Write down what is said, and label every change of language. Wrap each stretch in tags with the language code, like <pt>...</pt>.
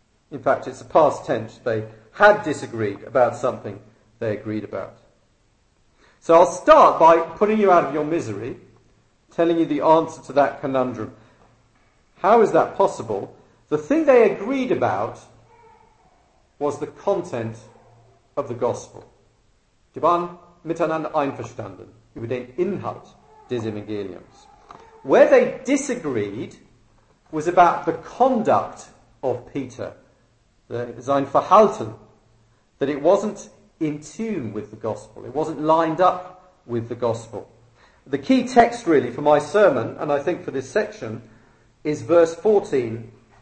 <en>In fact, it's a past tense. They had disagreed about something they agreed about. So I'll start by putting you out of your misery, telling you the answer to that conundrum. How is that possible? The thing they agreed about was the content of the gospel.</en> <de>Die waren miteinander einverstanden über den Inhalt des Evangeliums.</de> <en>Where they disagreed was about the conduct of Peter,</en> <de>sein Verhalten,</de> <en>that it wasn't in tune with the gospel, it wasn't lined up with the gospel. The key text, really, for my sermon, and I think for this section, is verse 14.</en>